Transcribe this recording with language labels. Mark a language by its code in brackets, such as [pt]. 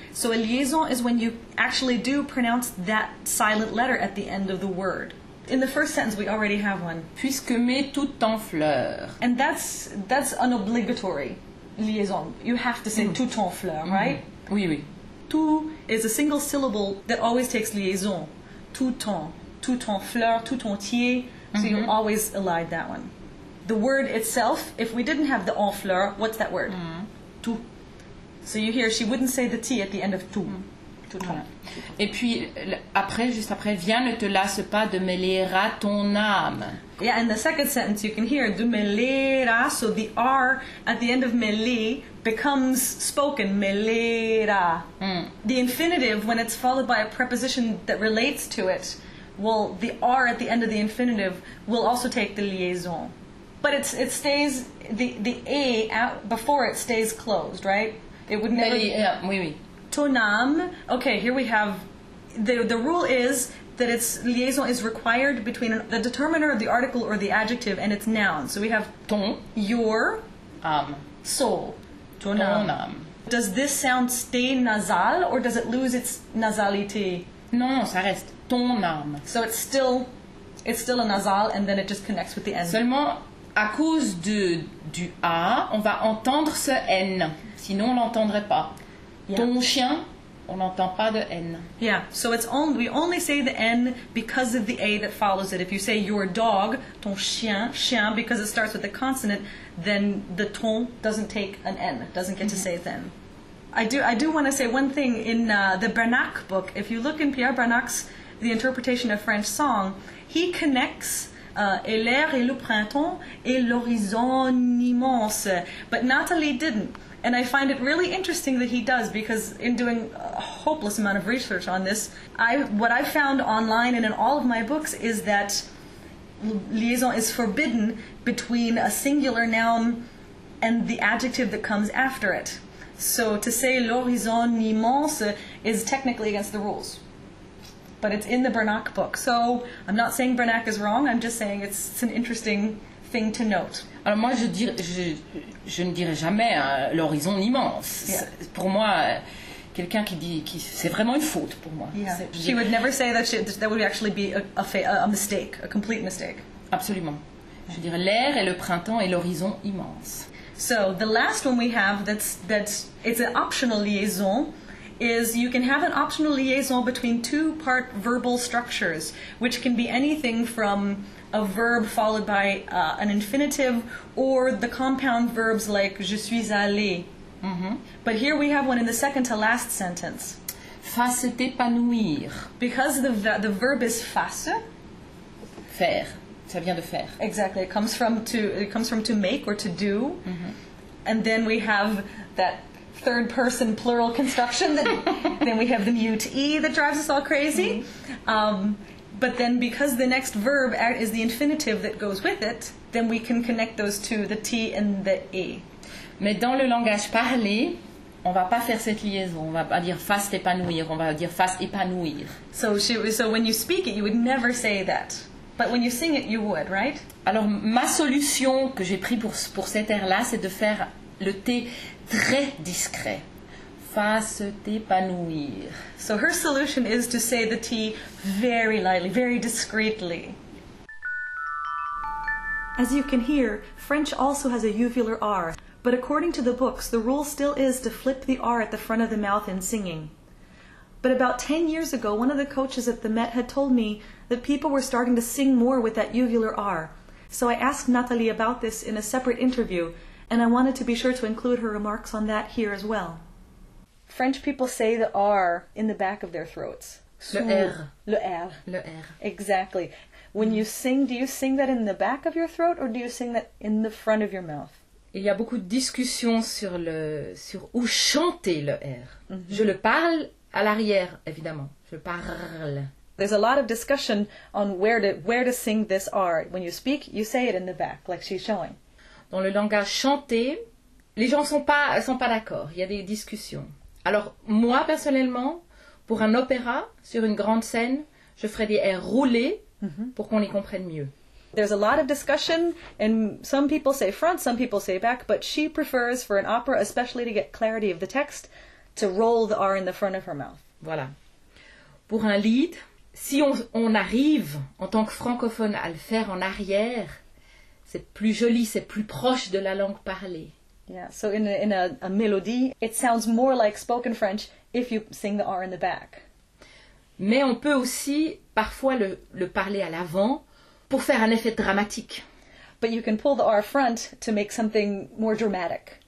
[en] So a liaison is when you actually do pronounce that silent letter at the end of the word. In the first sentence, we already have one. [fr] Puisque met tout en fleur. [en] And that's an obligatory liaison. You have to say mm. [fr] tout en fleur, right? Mm. Oui, oui. [en] Tout is a single syllable that always takes liaison. [fr] Tout en fleur, tout entier. Mm-hmm. [en] So you always elide that one. The word itself, if we didn't have the en fleur, what's that word? Mm. So you hear she wouldn't say the T at the end of tout. [fr] Mm. Tout voilà. Et puis après, juste après, viens ne te lasse pas de mêler à ton âme. [en] Yeah, in the second sentence you can hear [fr] de mêler à, [en] so the R at the end of mêler becomes spoken [fr] mêler à. Mm. [en] The infinitive, when it's followed by a preposition that relates to it, well, the R at the end of the infinitive will also take the liaison. But it stays, the A out before it stays closed, right? It would never... Yeah, [fr] oui, oui. Ton âme. [en] Okay, here we have... The rule is that its liaison is required between the determiner of the article or the adjective and its noun. So we have... [fr] Ton. [en] Your. [fr] Âme. [en] Soul. [fr] Ton âme. Ton âme. [en] Does this sound stay nasal or does it lose its nasalité? [fr] Non, ça reste ton âme. [en] So it's still a nasal and then it just connects with the N. [fr] Seulement... À cause du A, on va entendre ce N. Sinon, on l'entendrait pas. [en] Yeah. [fr] Ton chien, on n'entend pas de N. [en] Yeah, so we only say the N because of the A that follows it. If you say your dog, [fr] ton chien, chien, [en] because it starts with a consonant, then the ton doesn't take an N, doesn't get mm-hmm. to say then. I do want to say one thing. In the Branach book, if you look in Pierre Branach's The Interpretation of French Song, he connects [fr] et l'air et le printemps et l'horizon immense. [en] But Natalie didn't. And I find it really interesting that he does, because in doing a hopeless amount of research on this, what I found online and in all of my books is that liaison is forbidden between a singular noun and the adjective that comes after it. So to say [fr] l'horizon immense [en] is technically against the rules. But it's in the Bernac book. So I'm not saying Bernac is wrong, I'm just saying it's an interesting thing to note. [fr] Alors moi, je ne dirais jamais l'horizon immense. [en] Yeah. [fr] Pour moi, quelqu'un qui dit, c'est vraiment une faute pour moi. [en] Yeah. She would never say that that would actually be a mistake, a complete mistake. [fr] Absolument. Je dirais l'air et le printemps et l'horizon immense. [en] So the last one we have it's an optional liaison, is you can have an optional liaison between two part verbal structures, which can be anything from a verb followed by an infinitive or the compound verbs like [fr] je suis allé. Mm-hmm. [en] But here we have one in the second to last sentence. [fr] Face d'épanouir. [en] Because the verb is face. [fr] Faire. Ça vient de faire. [en] Exactly. It comes from to make or to do. Mm-hmm. And then we have that third person plural construction. Then we have the mute E that drives us all crazy. Mm-hmm. But then because the next verb is the infinitive that goes with it, then we can connect those two, the T and the E. [fr] Mais dans le langage parlé, on va pas faire cette liaison. On va pas dire face épanouir. On va dire face épanouir. [en] So when you speak it, you would never say that. But when you sing it, you would, right? [fr] Alors, ma solution que j'ai pris pour cet air-là, c'est de faire le T très discret. Face t'épanouir. [en] So her solution is to say the T very lightly, very discreetly. As you can hear, French also has a uvular R. But according to the books, the rule still is to flip the R at the front of the mouth in singing. But about 10 years ago, one of the coaches at the Met had told me that people were starting to sing more with that uvular R. So I asked Natalie about this in a separate interview, and I wanted to be sure to include her remarks on that here as well. French people say the R in the back of their throats. [fr] Le R. [en] Exactly. When you sing, do you sing that in the back of your throat or do you sing that in the front of your mouth? [fr] Il y a beaucoup de discussions sur où chanter le R. Mm-hmm. Je le parle à l'arrière, évidemment. Je parle. [en] There's a lot of discussion on where to sing this R. When you speak, you say it in the back, like she's showing. [fr] Dans le langage chanté, les gens sont pas d'accord. Il y a des discussions. Alors, moi, personnellement, pour un opéra, sur une grande scène, je ferai des airs roulés pour qu'on les comprenne mieux. [en] There's a lot of discussion, and some people say front, some people say back, but she prefers for an opera, especially to get clarity of the text, to roll the R in the front of her mouth. [fr] Voilà. Pour un lead, si on arrive, en tant que francophone, à le faire en arrière, c'est plus joli, c'est plus proche de la langue parlée. [en] Yeah, so in a melody, it sounds more like spoken French if you sing the R in the back. [fr] Mais on peut aussi parfois le parler à l'avant pour faire un effet dramatique. [en] But you can pull the R front to make something more dramatic.